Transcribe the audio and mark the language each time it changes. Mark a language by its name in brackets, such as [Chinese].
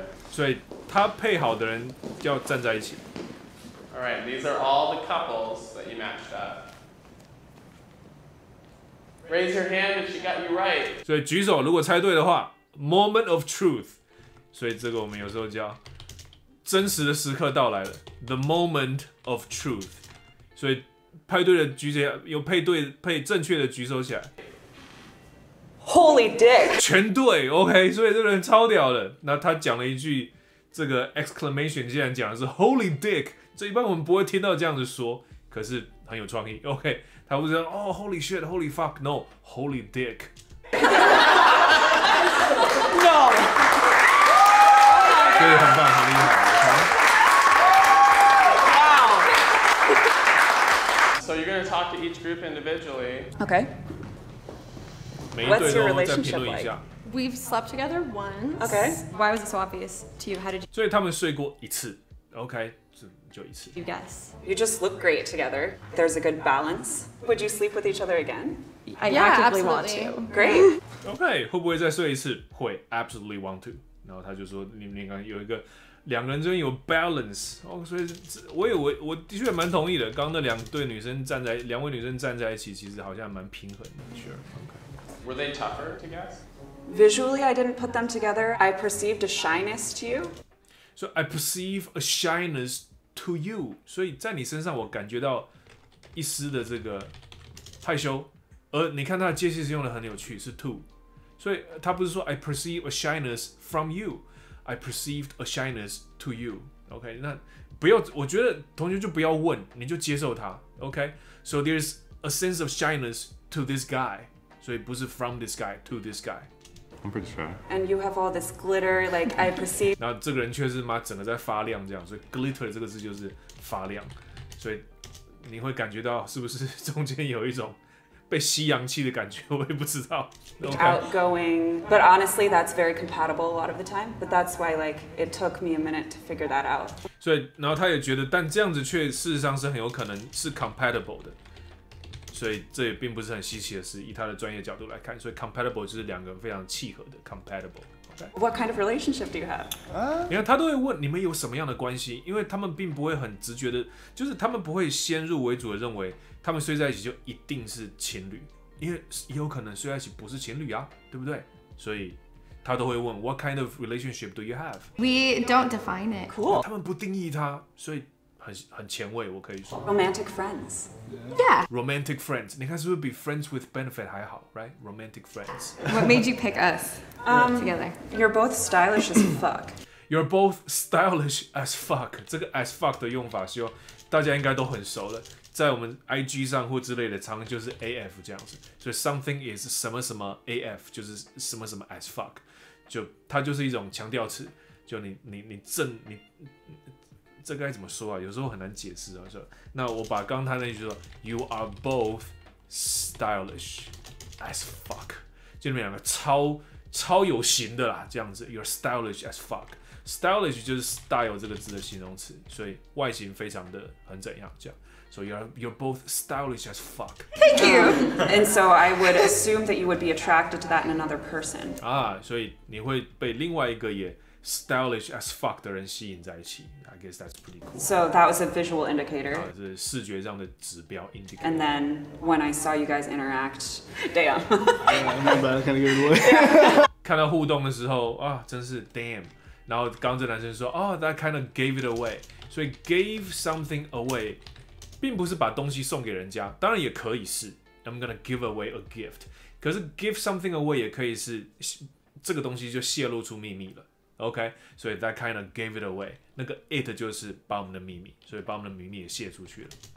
[Chinese] 所以他配好的人要站在一起。 [English] All right, these are all the couples that you matched up. Raise your hand if she got you right. [Chinese] 所以举手，如果猜对的话 ， [English] moment of truth. [Chinese] 所以这个我们有时候叫真实的时刻到来了 ， [English] the moment of truth. [Chinese] 所以配对的举起来，有配对配正确的举手起来。 [English] Holy dick! [Chinese] 全对 ，OK. 所以这个人超屌的。那他讲了一句这个 exclamation， 竟然讲的是 [English] Holy dick. [Chinese] 这一般我们不会听到这样子说，可是很有创意 ，OK. 他不是说哦 [English] ，Holy shit, Holy fuck, no, Holy dick. No. [Chinese] 所以很棒，很厉害。 [English] Wow. So you're gonna talk to each group individually. Okay. [Chinese] 每一对都再评论一下。 [English] We've slept together once. Okay. Why was it so obvious to you? How did you? [Chinese] 所以他们睡过一次。Okay. [English] You guess. You just look great together. There's a good balance. Would you sleep with each other again? I yeah, actively absolutely. want to. Great. [Chinese] Okay, 会不会再睡一次？会 [English] ，absolutely want to. [Chinese] 然后他就说，你刚刚有一个两个人之间有 balance 哦，所以我的确蛮同意的。刚刚那两位女生站在一起，其实好像蛮平衡的。 [English] Sure. Okay. Were they tougher to guess? Visually, I didn't put them together. I perceived a shyness to you. So I perceive a shyness. To you, [Chinese] 所以在你身上我感觉到一丝的这个害羞，而你看他的介系词用的很有趣，是 to， 所以他不是说 [English] I perceive a shyness from you, I perceived a shyness to you. [Chinese] OK， 那不要，我觉得同学就不要问，你就接受他。 [English] OK， so there's a sense of shyness to this guy， [Chinese] 所以不是 [English] from this guy to this guy. I'm pretty sure. And you have all this glitter, like I perceive. [Chinese] 那这个人却是妈整个在发亮这样，所以 glitter 这个字就是发亮，所以你会感觉到是不是中间有一种被吸阳气的感觉？我也不知道。 [English] Outgoing, but honestly, that's very compatible a lot of the time. But that's why, like, it took me a minute to figure that out. [Chinese] 所以，然后他也觉得，但这样子却事实上是很有可能是 compatible 的。所以这也并不是很稀奇的事，以他的专业角度来看，所以 compatible 就是两个人非常契合的 compatible、okay?。 [English] What kind of relationship do you have？ [Chinese] 你看他都会问你们有什么样的关系，因为他们并不会很直觉的，就是他们不会先入为主的认为他们睡在一起就一定是情侣，因为也有可能睡在一起不是情侣啊，对不对？所以他都会问 [English] What kind of relationship do you have？ We don't define it. Cool. [Chinese] 他们不定义它，所以。很前卫，我可以说。 [English] Romantic friends, yeah. Romantic friends, [Chinese] 你看是不是比 [English] friends with benefit [Chinese] 还好 [English] ，right? Romantic friends. What made you pick us together? You're both stylish as fuck. You're both stylish as fuck. [Chinese] 这个 as fuck 的用法，希望大家应该都很熟了，在我们 IG 上或之类的，常就是 AF 这样子。所以 something is 什么什么 AF 就是什么什么 as fuck， 就它就是一种强调词，就你正你。这该怎么说啊？有时候很难解释啊。说，那我把刚才那句说 ， [English] You are both stylish as fuck， [Chinese] 就你们两个超有型的啦，这样子。 [English] You're stylish as fuck， [Chinese] stylish 就是 style 这个字的形容词，所以外形非常的很怎样这样。 [English] So you're both stylish as fuck. Thank you. And so I would assume that you would be attracted to that in another person. [Chinese] 啊，所以你会被另外一个也 stylish as fuck 的人吸引在一起。 [English] I guess that's pretty cool. So that was a visual indicator. [Chinese] 啊，是视觉上的指标 indicator. [English] And then when I saw you guys interact, damn. Yeah, I'm not bad, kind of good boy. [Chinese] 看到互动的时候啊，真是 damn. 然后刚这男生说， [English] oh, that kind of gave it away. [Chinese] 所以 [English] gave something away. [Chinese] 并不是把东西送给人家，当然也可以是 [English] I'm gonna give away a gift， [Chinese] 可是 [English] give something away [Chinese] 也可以是这个东西就泄露出秘密了， OK， 所以 [English] that kind of gave it away， [Chinese] 那个 it 就是把我们的秘密，所以把我们的秘密也泄出去了。